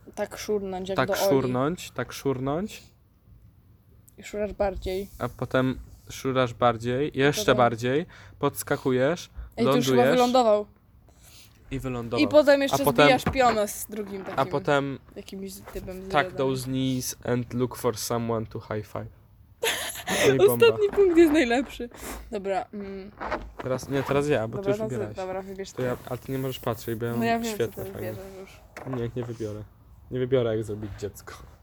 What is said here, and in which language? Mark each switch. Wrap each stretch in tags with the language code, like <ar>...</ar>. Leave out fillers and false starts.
<pl>Tak szurnąć, jak tak do szurnąć, Oli. Tak szurnąć. I szurasz bardziej. A potem szurasz bardziej, jeszcze potem... bardziej. Podskakujesz, lądujesz. I tu już chyba wylądował. I wylądował. I potem jeszcze zbijasz pionę z drugim takim. A potem... Jakimś typem z tak,</pl> <en>those knees and look for someone to high five.</en> <pl>Ostatni punkt jest najlepszy. Dobra. Teraz, nie, teraz ja, bo ty już wybierałeś. Dobra, wybierz to. Ale ty nie możesz patrzeć, bo ja mam świetne. No ja wiem, wybierzesz już. Nie wybiorę. Nie wybiorę, jak zrobić dziecko.</pl>